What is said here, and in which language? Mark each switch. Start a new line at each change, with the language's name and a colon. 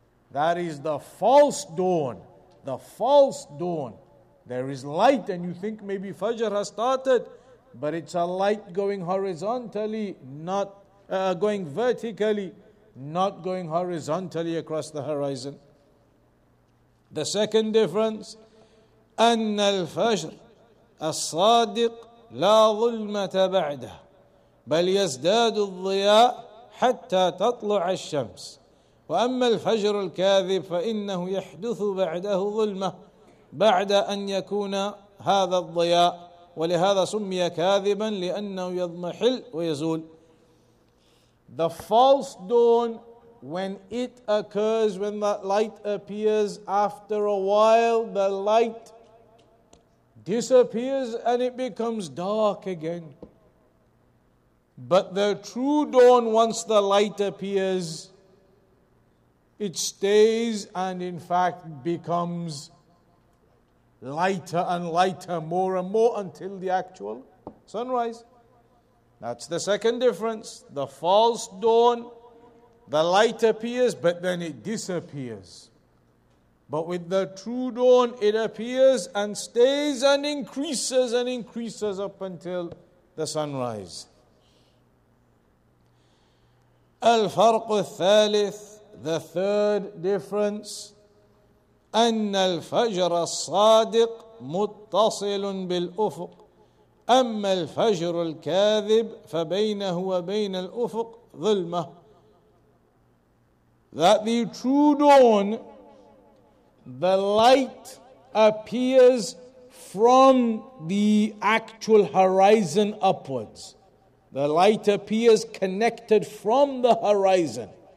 English: That is the false dawn. The false dawn. There is light and you think maybe Fajr has started, but it's a light going horizontally, not going vertically, not going horizontally across the horizon. The second difference,
Arabic: أن الفجر الصادق لا ظلمة بعده بل يزداد الضياء حتى تطلع الشمس وأما الفجر الكاذب فإنه يحدث بعده ظلمة بعد أن يكون هذا الضياء ولهذا سمي كاذبا لأنه يضمحل ويزول.
English: The false dawn, when it occurs, when that light appears, after a while the light disappears and it becomes dark again. But the true dawn, once the light appears, it stays and in fact becomes lighter and lighter, more and more, until the actual sunrise. That's the second difference. The false dawn, the light appears, but then it disappears. But with the true dawn, it appears and stays and increases up until the sunrise.
Arabic: الفرق الثالث,
English: the third difference,
Arabic: أن الفجر الصادق متصل بالأفق أما الفجر الكاذب فبينه وبين الأفق ظلمة.
English: That the true dawn, the light appears from the actual horizon upwards. The light appears connected from the horizon.